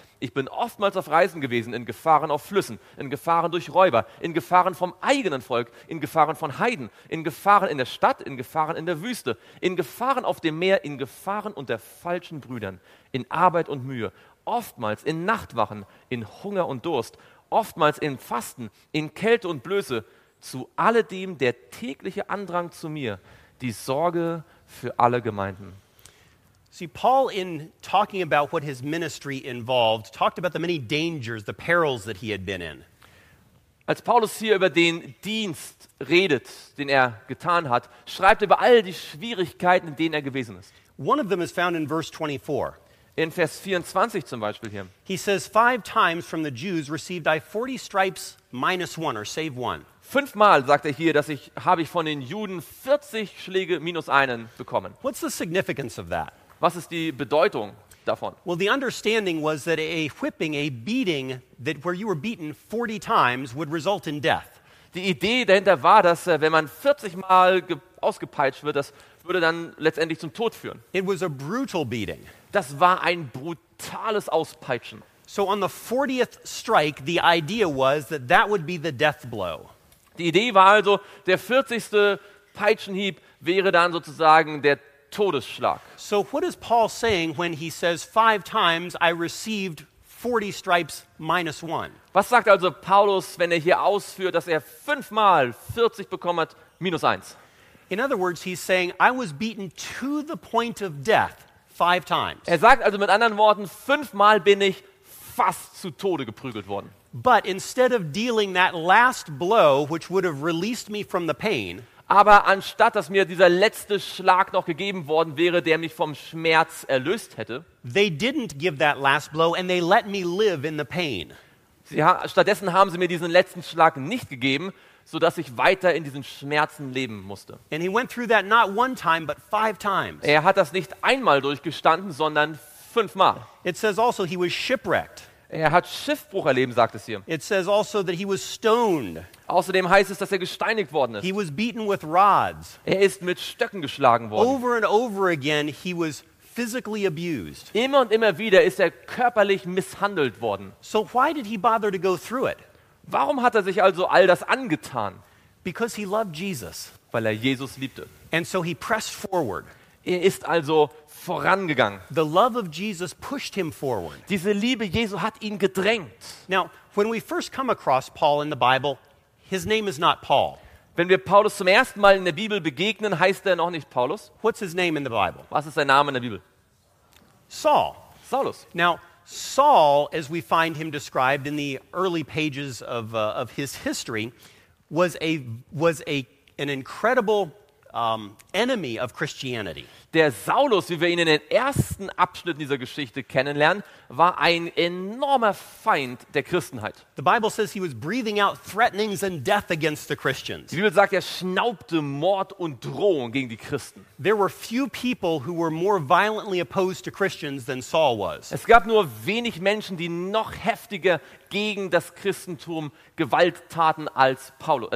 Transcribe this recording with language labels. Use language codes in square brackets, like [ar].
[de] Ich bin oftmals auf Reisen gewesen, in Gefahren auf Flüssen, in Gefahren durch Räuber, in Gefahren vom eigenen Volk, in Gefahren von Heiden, in Gefahren in der Stadt, in Gefahren in der Wüste, in Gefahren auf dem Meer, in Gefahren unter falschen Brüdern, in Arbeit und Mühe, oftmals in Nachtwachen, in Hunger und Durst, oftmals in Fasten, in Kälte und Blöße. Zu alledem der tägliche Andrang zu mir, die Sorge für alle Gemeinden. [en] See, Paul, in talking about what his ministry involved, talked about the many dangers, the perils that he had been in. [de] Als Paulus hier über den Dienst redet, den er getan hat, schreibt über all die Schwierigkeiten, in denen er gewesen ist. [en] One of them is found in verse 24. [de] In Vers 24 zum Beispiel hier. [en] He says, 5 times from the Jews received I 40 stripes minus one, or save one. [de] 5x sagt er hier, dass ich habe ich von den Juden 40 Schläge minus einen bekommen. [en] What's the significance of that? [de] Was ist die Bedeutung davon? [en] Well, the understanding was that a whipping, a beating, that where you were beaten 40 times would result in death. [de] Die Idee dahinter war, dass wenn man 40x ausgepeitscht wird, das würde dann letztendlich zum Tod führen. [en] It was a brutal beating. [de] Das war ein brutales Auspeitschen. [en] So on the 40th strike, the idea was that that would be the death blow. [de] Die Idee war also, der 40. Peitschenhieb wäre dann sozusagen der Todesschlag. [en] So what is Paul saying when he says 5 times I received 40 stripes minus one? [de] Was sagt also Paulus, wenn er hier ausführt, dass er 5x 40 bekommen hat minus 1? [en] In other words, he's saying I was beaten to the point of death 5 times. [de] Er sagt also mit anderen Worten, 5x bin ich fast zu Tode geprügelt worden. [en] But instead of dealing that last blow, which would have released me from the pain, [de] aber anstatt dass mir dieser letzte Schlag noch gegeben worden wäre, der mich vom Schmerz erlöst hätte, [en] they didn't give that last blow and they let me live in the pain. [de] Stattdessen haben sie mir diesen letzten Schlag nicht gegeben, so dass ich weiter in diesen Schmerzen leben musste. [en] And he went through that not one time, but 5 times. [de] Er hat das nicht einmal durchgestanden, sondern 5x. [en] It says also he was shipwrecked. [de] Er hat Schiffbruch erleben, sagt es hier. [en] It says also that he was stoned. [de] Außerdem heißt es, dass er gesteinigt worden ist. [en] He was beaten with rods. [de] Er ist mit Stöcken geschlagen worden. [en] Over and over again he was physically abused. [de] Immer und immer wieder ist er körperlich misshandelt worden. [en] So why did he bother to go through it? [de] Warum hat er sich also all das angetan? [en] Because he loved Jesus. [de] Weil er Jesus liebte. [en] And so he pressed forward. [de] Er ist also vorangegangen. [en] The love of Jesus pushed him forward. [de] Diese Liebe Jesu hat ihn gedrängt. [en] Now, when we first come across Paul in the Bible, his name is not Paul. [de] Wenn wir Paulus zum ersten Mal in der Bibel begegnen, heißt er noch nicht Paulus. [en] What's his name in the Bible? [de] Was ist sein Name in der Bibel? [en] Saul. [de] Saulus. [en] Now, Saul, as we find him described in the early pages of his history, was an incredible enemy of Christianity. [de] Der Saulus, wie wir ihn in den ersten Abschnitten dieser Geschichte kennenlernen, war ein enormer Feind der Christenheit. [en] The Bible says he was breathing out threatenings and death against the Christians. [de] Die Bibel sagt, er schnaubte Mord und Drohung gegen die Christen. [en] There were few people who were more violently opposed to Christians than Saul was. [de] Es gab nur wenig Menschen, die noch heftiger gegen das Christentum Gewalttaten als Paulus.